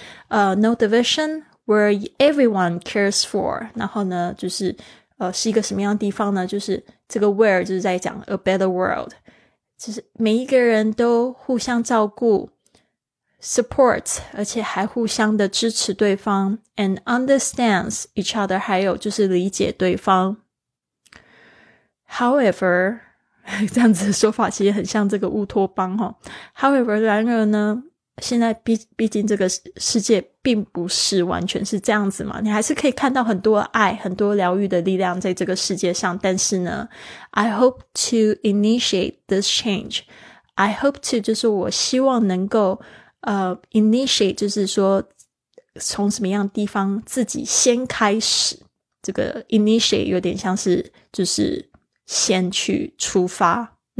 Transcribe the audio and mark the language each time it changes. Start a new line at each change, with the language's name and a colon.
English: No division, where everyone cares for.
Chinese: 然后呢就是是一个什么样的地方呢，就是这个 where 就是在讲
English: a better world,
Chinese: 就是每一个人都互相照顾， support, 而且还互相的支持对方，
English: and understands each other,
Chinese: 还有就是理解对方。 However, 这样子的说法其实很像这个乌托邦齁。 However, 然而呢现在毕竟这个世界并不是完全是这样子嘛，你还是可以看到很多爱，很多疗愈的力量在这个世界上。但是呢
English: I hope to initiate this change. I hope to
Chinese: 就是我希望能够initiate 就是说从什么样地方自己先开始，这个 initiate 有点像是就是先去出发。